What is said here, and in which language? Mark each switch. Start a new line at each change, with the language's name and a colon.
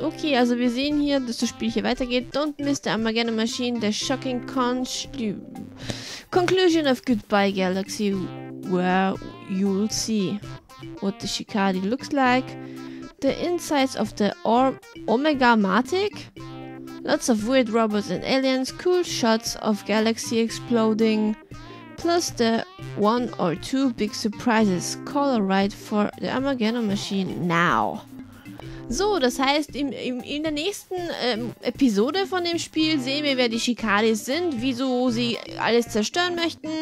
German: Okay, also wir sehen hier, dass das Spiel hier weitergeht.
English: Don't miss the Armageddon Machine, the shocking conclusion of Goodbye Galaxy, where you'll see what the Shikari looks like. The insides of the Omega-matic Lots of weird robots and aliens, cool shots of galaxy exploding, plus the one or two big surprises. Call a ride for the Armageddon Machine now.
German: So, das heißt, in der nächsten Episode von dem Spiel sehen wir, wer die Shikaris sind, wieso sie alles zerstören möchten.